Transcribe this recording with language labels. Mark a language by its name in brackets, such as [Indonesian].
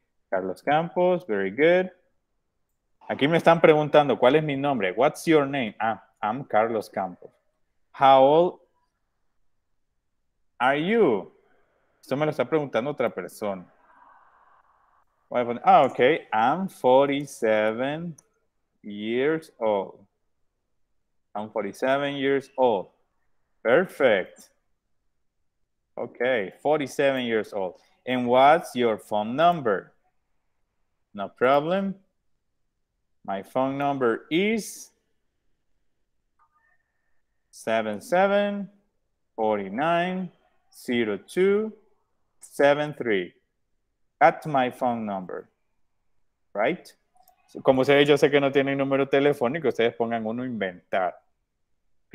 [English] Carlos Campos, very good. [Spanish] Aquí me están preguntando, ¿cuál es mi nombre? [English] What's your name? Ah, I'm Carlos Campos. How old are you? [Spanish] Esto me lo está preguntando otra persona. [English] Ah, ok. I'm 47 years old. I'm 47 years old. Perfect. Ok, 47 years old. And what's your phone number? No problem. My phone number is 77-49-02-73. That's my phone number, right? [Spanish] Como ustedes, yo sé que no tienen número telefónico, ustedes pongan uno inventar, ¿ok?